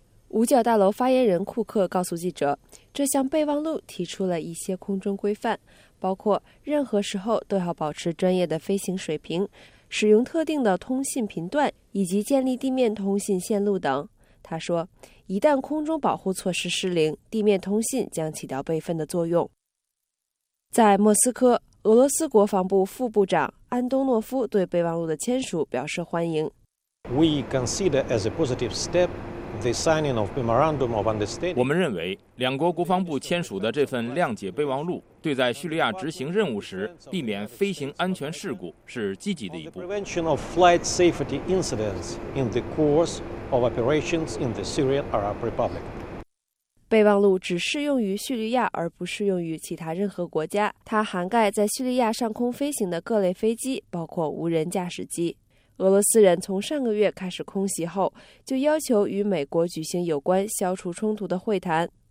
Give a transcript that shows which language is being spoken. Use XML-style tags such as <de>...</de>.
<zh>五角大楼发言人库克告诉记者，这项备忘录提出了一些空中规范，包括任何时候都要保持专业的飞行水平，使用特定的通信频段，以及建立地面通信线路等。他说，一旦空中保护措施失灵，地面通信将起到备份的作用。在莫斯科，俄罗斯国防部副部长安东诺夫对备忘录的签署表示欢迎。</zh> <en>We consider as a positive step the signing of memorandum of understanding.</en> <zh>我们认为两国国防部签署的这份谅解备忘录对在叙利亚执行任务时避免飞行安全事故是积极的一步。</zh> <en>The prevention of flight safety incidents in the course of operations in the Syrian Arab Republic.</en> <zh>备忘录只适用于叙利亚，而不适用于其他任何国家。它涵盖在叙利亚上空飞行的各类飞机，包括无人驾驶机。俄罗斯人从上个月开始空袭后，就要求与美国举行有关消除冲突的会谈。</zh>